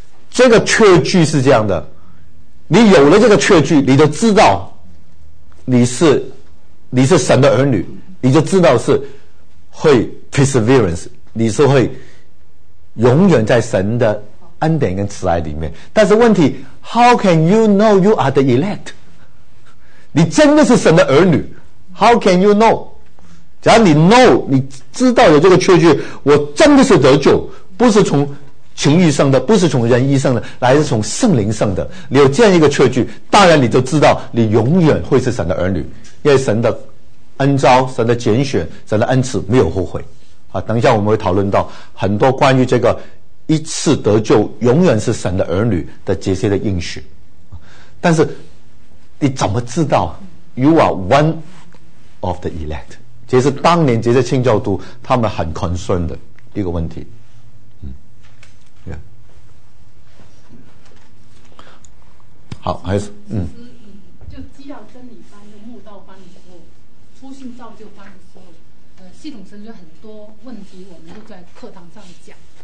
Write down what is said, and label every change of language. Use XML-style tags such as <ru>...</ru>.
<zh>这个确据是这样的，你有了这个确据，你就知道你是神的儿女，你就知道是会 perseverance， 你是会永远在神的恩典跟慈爱里面。但是问题 ，</zh> <en>How can you know you are the elect？</en> <zh>你真的是神的儿女</zh> <en>How can you know？</en> <zh>只要你 know， 你知道有这个确据，我真的是得救，不是从情欲生的，不是从人意生的，乃是从圣灵生的。你有这样一个确据，当然你就知道你永远会是神的儿女，因为神的恩召、神的拣选、神的恩赐没有后悔等一下我们会讨论到很多关于这个一次得救永远是神的儿女的这些的应许。但是你怎么知道</zh> <en>you are one of the elect？</en> <zh>这是当年这些清教徒他们很 concerned 的一个问题。好，还是就基要真理班的慕道班的时候，初信造就班的时候，系统神学很多问题我们都在课堂上讲，</zh>